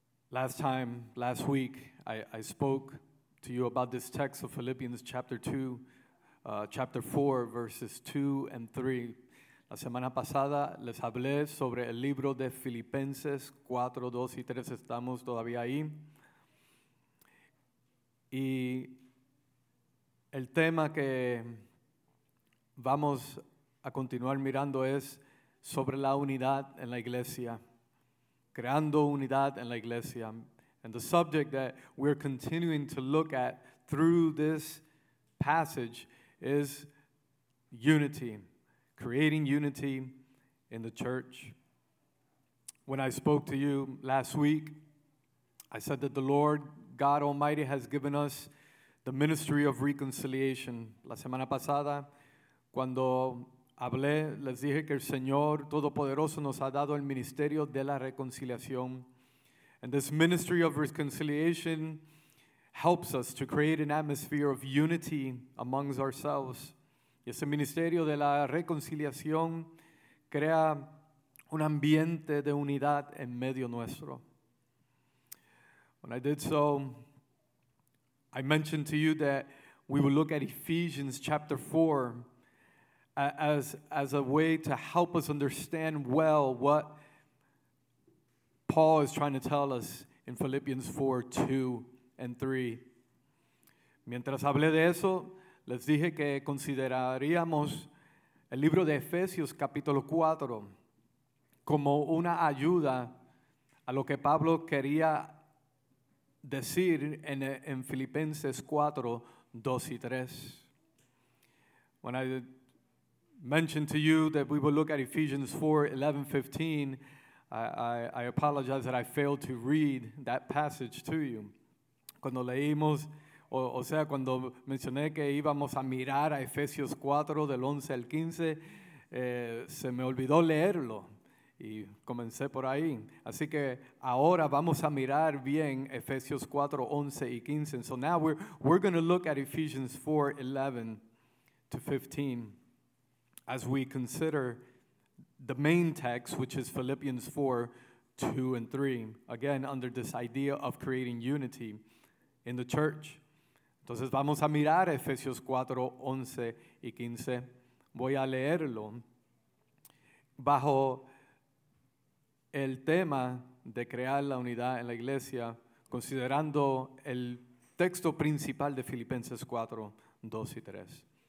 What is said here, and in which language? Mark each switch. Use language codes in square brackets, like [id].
[en] Last week, I spoke to you about this text of Philippians chapter 4, verses 2 and 3. [es] La semana pasada les hablé sobre el libro de Filipenses 4, 2 y 3. Estamos todavía ahí. Y el tema que vamos a continuar mirando es sobre la unidad en la iglesia, creando unidad en la iglesia. [en] And the subject that we're continuing to look at through this passage is unity, creating unity in the church. When I spoke to you last week, I said that the Lord God Almighty has given us the ministry of reconciliation. [es] La semana pasada, cuando hablé, les dije que el Señor Todopoderoso nos ha dado el ministerio de la reconciliación. [en] And this ministry of reconciliation helps us to create an atmosphere of unity amongst ourselves. [es] Y ese ministerio de la reconciliación crea un ambiente de unidad en medio nuestro. [en] When I did so, I mentioned to you that we will look at Ephesians chapter 4 as a way to help us understand well what Paul is trying to tell us in Philippians 4, 2 and 3. [es] Mientras hablé de eso, les dije que consideraríamos el libro de Efesios capítulo 4 como una ayuda a lo que Pablo quería decir en Filipenses 4, 2 y 3. [en] When I mentioned to you that we will look at Ephesians 4, 11, 15, I apologize that I failed to read that passage to you. [es] Cuando leímos, o sea, cuando mencioné que íbamos a mirar a Efesios 4, del 11 al 15, se me olvidó leerlo. Y comencé por ahí. Así que ahora vamos a mirar bien Efesios 4, 11 y 15. [en] And so now we're going to look at Ephesians 4, 11. to 15, as we consider the main text, which is Philippians 4, 2 and 3, again, under this idea of creating unity in the church. [es] Entonces, vamos a mirar Efesios 4, 11 y 15. Voy a leerlo bajo el tema de crear la unidad en la iglesia, considerando el texto principal de Filipenses 4, 2 y 3.